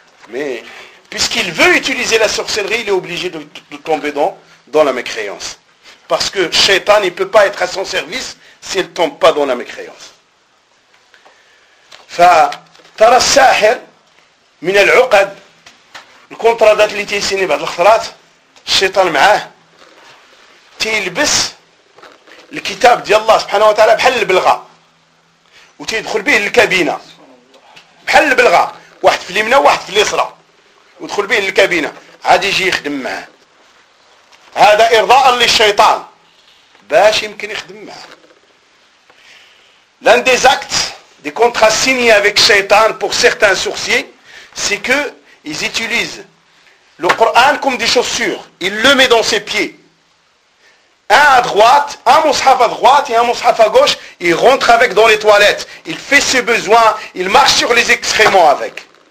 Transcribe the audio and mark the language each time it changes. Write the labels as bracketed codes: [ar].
[fr] Mais, puisqu'il veut utiliser la sorcellerie, il est obligé de tomber dans la mécréance. Parce que le shaitan ne peut pas être à son service s'il ne tombe pas dans la mécréance. [ar] ترى الساحر من العقد الكونترادات اللي تيسيني بعض الخطرات الشيطان معاه تيلبس الكتاب ديال الله سبحانه وتعالى بحل البلغة وتيدخل به للكابينة بحل البلغة واحد في اليمنى واحد في اليسرى ودخل به للكابينة عاد يجي يخدم معاه هذا إرضاء للشيطان باش يمكن يخدم معاه [fr] لان دي زاكت Des contrats signés avec Shaitan pour certains sorciers, c'est qu'ils utilisent le Coran comme des chaussures. Ils le mettent dans ses pieds. Un à droite, un mushaf à droite et un mushaf à gauche, il rentre avec dans les toilettes. Il fait ses besoins, il marche sur les excréments avec.